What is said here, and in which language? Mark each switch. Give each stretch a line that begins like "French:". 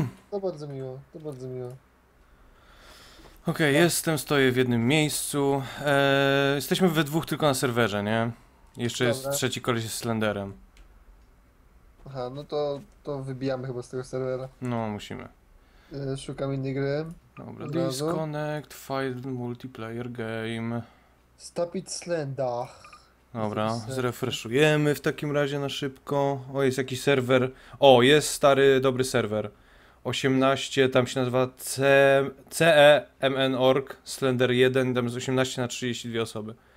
Polish: To bardzo miło. Okej, okay, jestem, stoję w jednym miejscu. Jesteśmy we dwóch tylko na serwerze, nie? Jeszcze dobra. Jest trzeci koleś z Slenderem. Aha, no to wybijamy chyba z tego serwera. No, musimy. Szukam innej gry. Dobra,
English: disconnect, file multiplayer game. Stop it, Slender.
Polish: Dobra, zrefreshujemy w takim razie na szybko. O, jest jakiś serwer. O, jest stary, dobry serwer. 18, tam się nazywa CEMN.org, Slender 1, tam jest 18 na 32 osoby.